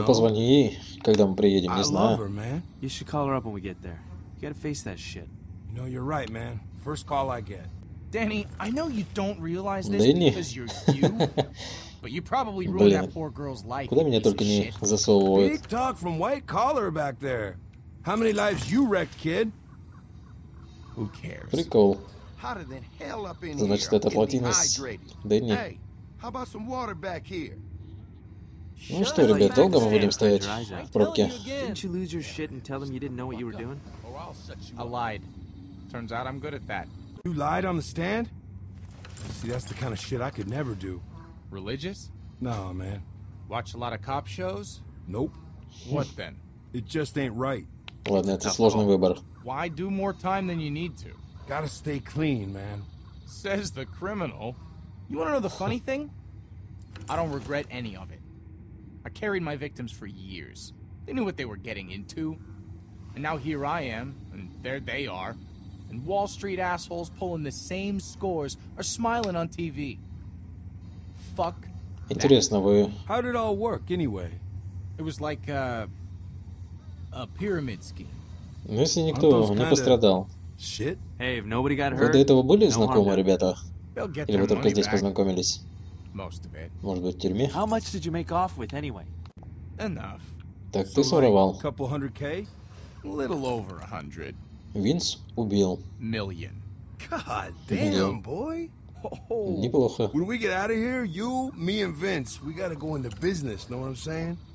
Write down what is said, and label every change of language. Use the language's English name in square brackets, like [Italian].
[Russian] Ну позвони ей, когда мы приедем, не знаю. [English] I love her, man. You should call her up when we get there. You gotta face that shit. You know, you're right, man. First call I get. Danny, I know you don't realize this because you're you, but you probably ruined that poor girl's life. [Russian] Куда меня только не засовывают. [English] Big talk from white collar back there. How many lives you wrecked, kid? Who cares? [Russian] Прикол. Значит, это плотинец Дэнни. [English] How about some water back here? [Russian] Ну что, ребят, долго мы будем стоять в пробке? [English] Didn't you lose your shit and tell them you didn't know what you were doing? I lied. Turns out I'm good at that. You lied on the stand? See, that's the kind of shit I could never do. Religious? No, man. Watch a lot of cop shows? Nope. What then? It just ain't right. [Russian] Ладно, это сложный выбор. [English] Why do more time than you need to? Gotta stay clean, man. Says the criminal. You wanna know the funny thing? I don't regret any of it. I carried my victims for years. They knew what they were getting into. And now here I am, and there they are. And Wall Street assholes pulling the same scores are smiling on TV. Fuck that. [Russian] Интересно, вы... [English] How did it all work, anyway? It was like, a pyramid scheme. [Russian] Ну, если никто не пострадал. [English] Shit? Hey, if nobody got hurt, [Russian] вы до этого были знакомы, no ребята? Или вы только здесь познакомились? [English] Most of it. [Russian] Может быть, в тюрьме? [English] How much did you make off with, anyway? Enough. [Russian] Так, so ты своровал. [English] Like, couple hundred K? A little over 100. [Russian] Винс убил. [English] Million. God damn, boy. [Russian] Неплохо. [English] When we get out of here, you, me and Vince, we gotta go into business, know what I'm saying?